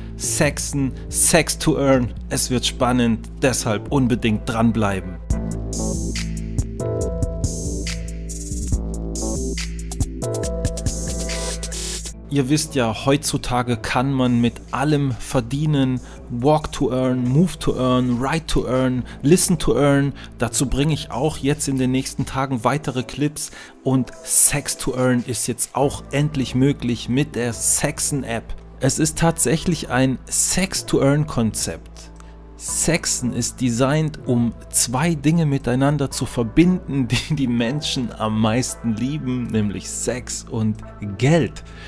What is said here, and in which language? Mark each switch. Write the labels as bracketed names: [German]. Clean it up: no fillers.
[German] Sexen, Sex to Earn. Es wird spannend, deshalb unbedingt dranbleiben. Ihr wisst ja, heutzutage kann man mit allem verdienen. [English] Walk to earn, move to earn, write to earn, listen to earn. [German] Dazu bringe ich auch jetzt in den nächsten Tagen weitere Clips. Und Sex to earn ist jetzt auch endlich möglich mit der Sexen App. Es ist tatsächlich ein Sex to earn Konzept. Sexen ist designed, um zwei Dinge miteinander zu verbinden, die die Menschen am meisten lieben, nämlich Sex und Geld.